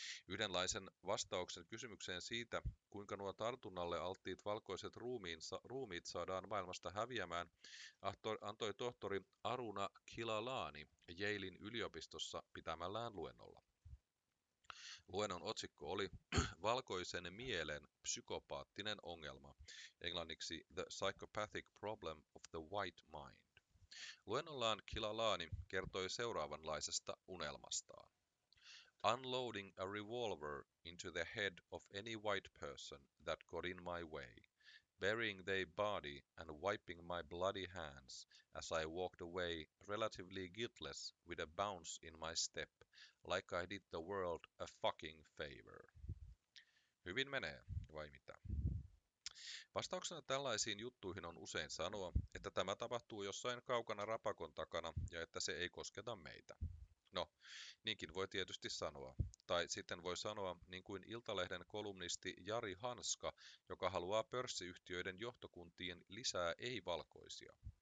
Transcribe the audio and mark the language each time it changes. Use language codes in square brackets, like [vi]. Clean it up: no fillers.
[fi] Yhdenlaisen vastauksen kysymykseen siitä, kuinka nuo tartunnalle alttiit valkoiset ruumiit saadaan maailmasta häviämään, antoi tohtori Aruna Kilalani Yalen yliopistossa pitämällään luennolla. Luennon otsikko oli Valkoisen mielen psykopaattinen ongelma, englanniksi [en] The Psychopathic Problem of the White Mind. [fi] Luennollaan Kilalani kertoi seuraavanlaisesta unelmastaan. [en] Unloading a revolver into the head of any white person that got in my way, burying their body and wiping my bloody hands as I walked away relatively guiltless with a bounce in my step, like I did the world a fucking favor. [fi] Hyvin menee, vai mitä? Vastauksena tällaisiin juttuihin on usein sanoa, että tämä tapahtuu jossain kaukana rapakon takana ja että se ei kosketa meitä. No, niinkin voi tietysti sanoa. Tai sitten voi sanoa, niin kuin Iltalehden kolumnisti Jari Hanska, joka haluaa pörssiyhtiöiden johtokuntiin lisää ei-valkoisia.